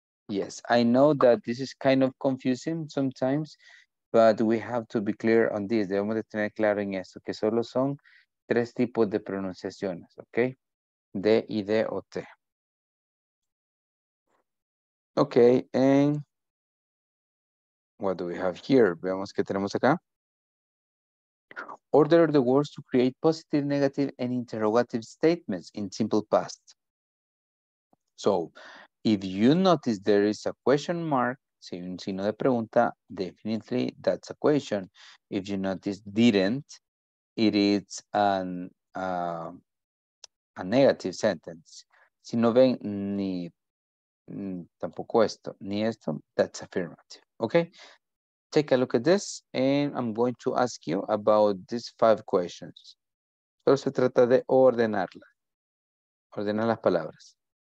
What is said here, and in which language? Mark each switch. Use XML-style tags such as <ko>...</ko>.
<en>Yes, I know that this is kind of confusing sometimes, but we have to be clear on this.</en> <es>Debemos de tener claro en esto, que solo son tres tipos de pronunciaciones, ¿ok? D, I, D o T.</es> <en>Ok, and what do we have here?</en> <es>Veamos qué tenemos acá.</es> <en>Order the words to create positive, negative, and interrogative statements in simple past. So, if you notice there is a question mark,</en> <es>si hay un signo de pregunta,</es> <en>definitely that's a question. If you notice didn't, it is a negative sentence.</en> <es>Si no ven ni tampoco esto, ni esto,</es> <en>that's affirmative. Okay, take a look at this and I'm going to ask you about these five questions.</en> <es>Solo se trata de ordenarla, ordenar las palabras.</es>